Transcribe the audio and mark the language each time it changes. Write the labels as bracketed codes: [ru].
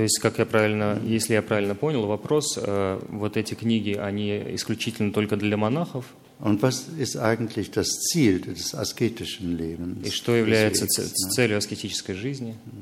[ru] То есть, как я правильно, если я правильно понял вопрос, вот эти книги, они исключительно только для монахов? [de] Und was ist eigentlich das Ziel des asketischen Lebens? [ru] И что является целью аскетической жизни?